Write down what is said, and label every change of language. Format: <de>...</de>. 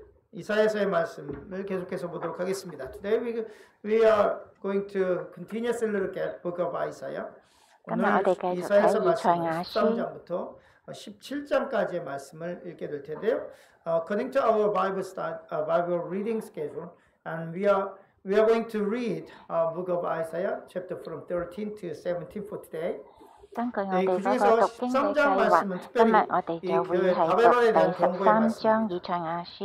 <ko>이사야서의 말씀을 계속해서 보도록 하겠습니다.</ko> <en>Today we are going to continuously look at Book of Isaiah.</en> <ko>오늘 이사야서 말씀 13장부터 17장까지의 말씀을 읽게 될 텐데요.</ko> <en>According to our Bible reading schedule, and we are going to read Book of Isaiah chapter from 13 to 17 for today.</en> <ko>네, 그중에서 13장 말씀은 특별히 이 교회 바벨론에 대한 경고의 말씀입니다.</ko>